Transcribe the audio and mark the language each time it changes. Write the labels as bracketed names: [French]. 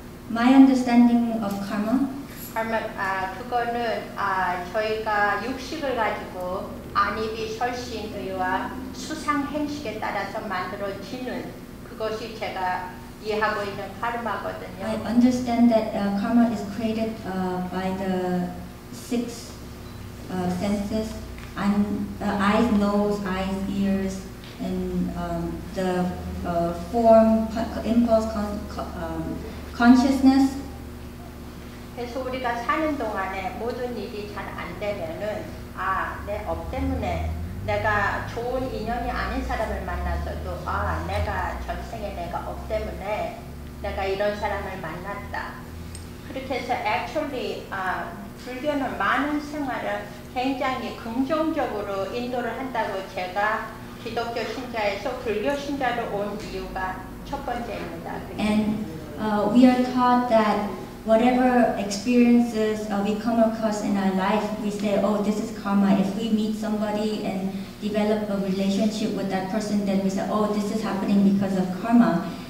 [English] my understanding of karma? [Korean] Karma, 그거는 저희가 육식을 가지고 안입이 설신의와 수상행식에 따라서 만들어지는 그것이 제가 이해하고 있는 카르마거든요. [English] I understand that karma is created by the six senses. Eyes, nose, eyes, ears. And the form, impulse, consciousness. [Korean] 그래서 우리가 사는 동안에 모든 일이 잘 안 되면은 아, 내 업 때문에 내가 좋은 인연이 아닌 사람을 만나서도 아, 내가 전생에 내가 업 때문에 내가 이런 사람을 만났다. 그렇게 해서 actually 불교는 많은 생활을 굉장히 긍정적으로 인도를 한다고 제가 기독교 신자에서 불교 신자로 온 이유가 첫 번째입니다. [English] And we are taught that whatever experiences we come across in our life, we say, oh, this is karma. If we meet somebody and develop a relationship with that person, then we say, oh, this is happening because of karma.